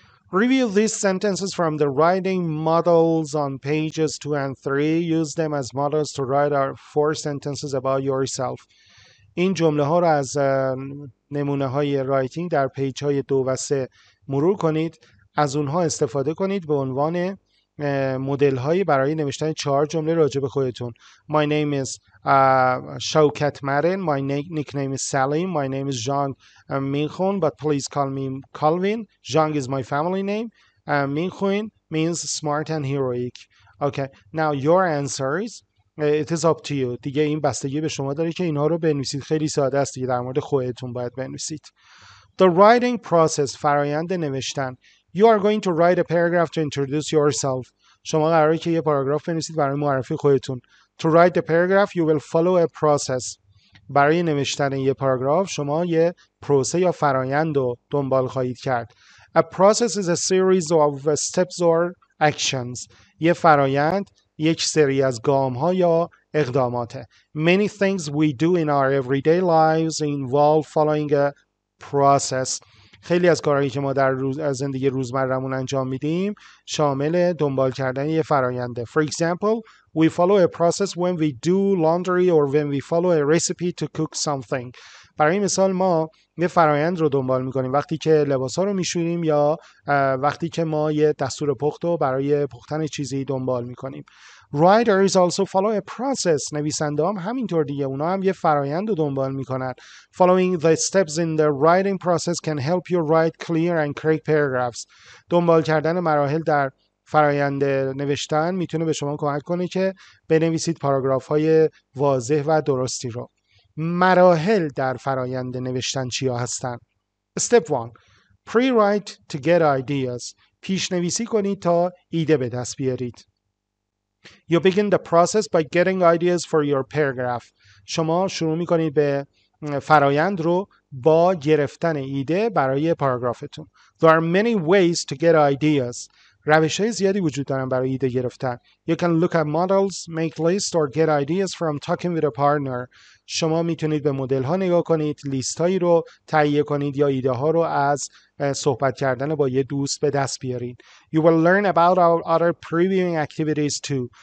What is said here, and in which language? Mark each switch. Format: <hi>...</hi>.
<en>Review these sentences from the writing models on pages 2 and 3. Use them as models to write our 4 sentences about yourself.</en> <fa>این جمله ها رو از نمونه های رایتینگ در پیج های 2 و 3 مرور کنید. از اونها استفاده کنید به عنوان مدل هایی برای نوشتن 4 جمله راجع به خودتون.</fa> <en>My name is Shaukat Marin. My nickname is Salim. My name is Zhang Minghun, but please call me Calvin. Zhang is my family name. Minghun means smart and heroic. Okay, now your answers. It is up to you.</en> <fa>دیگه این بستگی به شما داره که اینها رو بنویسید. خیلی ساده است دیگه، در مورد خودتون باید بنویسید.</fa> <en>The writing process.</en> <fa>فرایند نوشتن.</fa> <en>You are going to write a paragraph to introduce yourself.</en> <fa>شما قراره که یه پاراگراف بنویسید برای معرفی خودتون.</fa> <en>To write the paragraph, you will follow a process.</en> <fa>برای نوشتن یه پاراگراف شما یه پروسه یا فرایند رو دنبال خواهید کرد.</fa> <en>A process is a series of steps or actions.</en> <fa>یه فرایند یک سری از گام‌ها یا اقداماته.</fa> <en>Many things we do in our everyday lives involve following a process.</en> <fa>خیلی از کارهایی که ما در زندگی روزمرمون انجام میدیم شامل دنبال کردن یه فراینده.</fa> <en>For example, we follow a process when we do laundry or when we follow a recipe to cook something.</en> <fa>برای مثال ما یه فرایند رو دنبال میکنیم وقتی که لباسا رو میشوریم یا وقتی که ما یه دستور پخت رو برای پختن چیزی دنبال میکنیم.</fa> <en>Writers also follow a process.</en> <fa>نویسنده هم همینطور دیگه اونا هم یه فرایند رو دنبال میکنن.</fa> <en>Following the steps in the writing process can help you write clear and correct paragraphs.</en> <fa>دنبال کردن مراحل در فرایند نوشتن میتونه به شما کمک کنه که بنویسید پاراگراف های واضح و درستی رو. مراحل در فرایند نوشتن چیا هستن؟</fa> <en>Step 1. Pre-write to get ideas.</en> <fa>پیشنویسی کنید تا ایده به دست بیارید.</fa> <en>You begin the process by getting ideas for your paragraph.</en> <fa>شما شروع میکنید به فرایند رو با گرفتن ایده برای پاراگرافتون.</fa> <en>There are many ways to get ideas.</en> <fa>روش های زیادی وجود دارن برای ایده گرفتن.</fa> <en>You can look at models, make lists, or get ideas from talking with a partner.</en> <fa>شما میتونید به مدل ها نگاه کنید، لیست هایی رو تهیه کنید یا ایده ها رو از صحبت کردن با یه دوست به دست بیارید.</fa> <en>You will learn about other previewing activities too.</en>